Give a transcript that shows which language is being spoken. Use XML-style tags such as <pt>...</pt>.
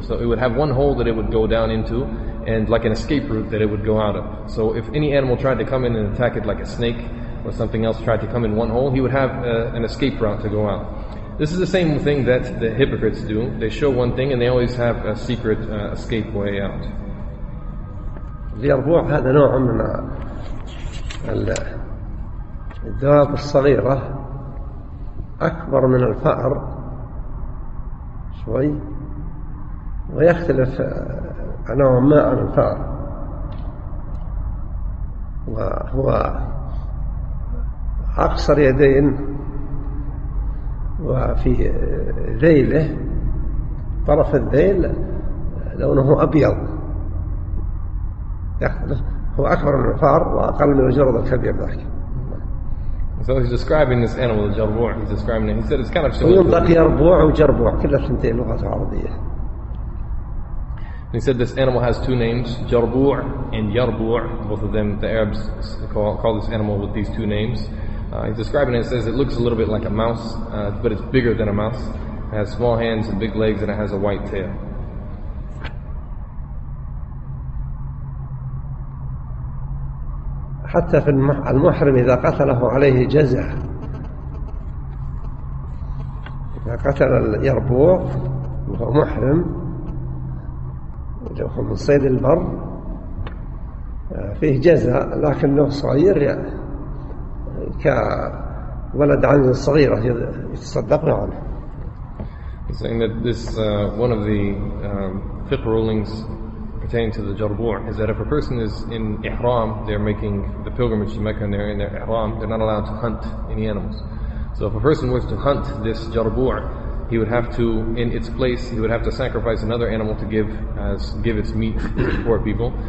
<en>So it would have one hole that it would go down into and like an escape route that it would go out of. So if any animal tried to come in and attack it, like a snake or something else tried to come in one hole, he would have an escape route to go out. This is the same thing that the hypocrites do. They show one thing and they always have a secret escape way out.</en> <ar>اليربوع هذا نوع من الدواب الصغيرة، أكبر من الفأر شوي، ويختلف نوع ما عن الفأر، وهو أقصر يدين وفي ذيله طرف الذيل لونه أبيض، هو أكبر من الفار وأقل من الجرذ الكبير ذاك.</ar> <en>So he's describing this animal, the jarbu'. He's describing it. He said it's kind of similar.</en> <ar>ويطلق يربوع وجربوع كلها اثنتين لغة عربية.</ar> <en>He said this animal has two names, jarbu' and yarbu'. Both of them, the Arabs call this animal with these two names. He's describing it. He says it looks a little bit like a mouse, but it's bigger than a mouse. It has small hands and big legs, and it has a white tail.</en> <ar>حتى في المحرم إذا قتله عليه جزع، إذا قتل اليربوع هو محرم لو هو من صيد البر فيه جزاء، لكن لو صغير يعني كولد عنز صغيرة يتصدق عنه.</ar> <en>Saying that this one of the fiqh rulings pertaining to the jarbu' is that if a person is in ihram, they're making the pilgrimage to Mecca and they're in their ihram, they're not allowed to hunt any animals. So if a person was to hunt this jarbu', he would have to, in its place, he would have to sacrifice another animal to give as give its meat to the poor people.</en>